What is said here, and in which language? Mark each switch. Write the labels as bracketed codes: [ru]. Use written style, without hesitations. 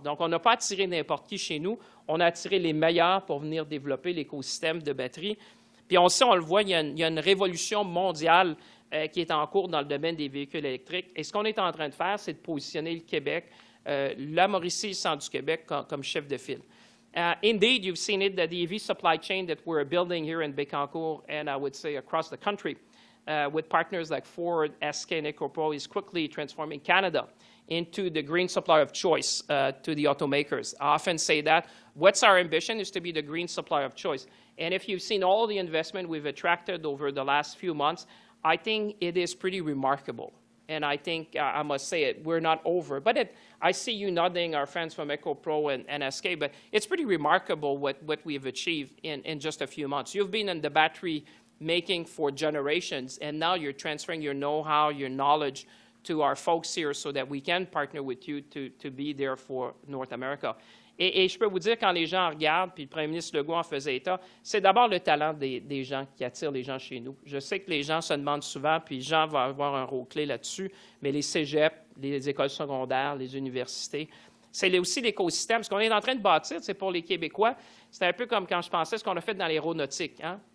[fr] Donc, on n'a pas attiré n'importe qui chez nous, on a attiré les meilleurs pour venir développer l'écosystème de batteries. Puis on sait, on le voit, il y a une révolution mondiale qui est en cours dans le domaine des véhicules électriques. Et ce qu'on est en train de faire, c'est de positionner le Québec, la Mauricie, le centre du Québec, comme chef de file. [en] Indeed, you've seen it, that the EV supply chain that we're building here in Bécancour, and I would say across the country, with partners like Ford, SK, and EcoPro, is quickly transforming Canada into the green supplier of choice to the automakers. I often say that. What's our ambition is to be the green supplier of choice. And if you've seen all the investment we've attracted over the last few months, I think it is pretty remarkable. And I think, I must say it, we're not over. But I see you nodding, our friends from EcoPro and SK, but it's pretty remarkable what we've achieved in just a few months. You've been in the battery making for generations, and now you're transferring your know-how, your knowledge to our folks here so that we can partner with you to be there for North America. [fr] Et je peux vous dire, quand les gens regardent, puis le premier ministre Legault en faisait état, c'est d'abord le talent des gens qui attire les gens chez nous. Je sais que les gens se demandent souvent, puis Jean va avoir un rôle clé là-dessus, mais les cégeps, les écoles secondaires, les universités, c'est aussi l'écosystème. Ce qu'on est en train de bâtir, c'est pour les Québécois, c'est un peu comme quand je pensais ce qu'on a fait dans l'aéronautique. Hein?